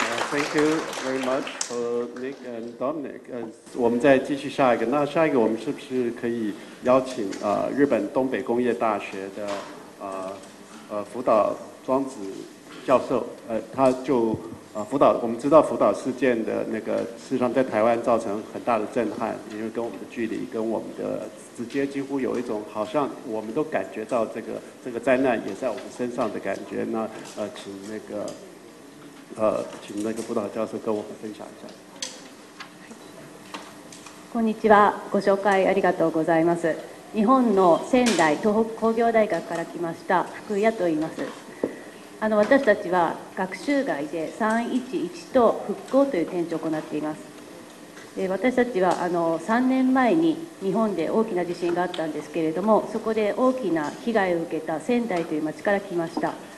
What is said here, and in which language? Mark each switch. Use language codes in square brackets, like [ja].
[en] Thank you very much for Nick and Dominic. [zh] 我们再继续下一个。那下一个我们是不是可以邀请日本东北工业大学的辅导庄子教授？他就辅导，我们知道辅导事件的那个事实上在台湾造成很大的震撼，因为跟我们的距离，跟我们的直接几乎有一种好像我们都感觉到这个灾难也在我们身上的感觉。那请那个。请那个辅导教授跟我们分享一下。 [ja] こんにちは、ご紹介ありがとうございます。日本の仙台東北工業大学から来ました福谷と言います。私たちは学習外で311と復興という展示を行っています。私たちは3年前に日本で大きな地震があったんですけれども、そこで大きな被害を受けた仙台という町から来ました。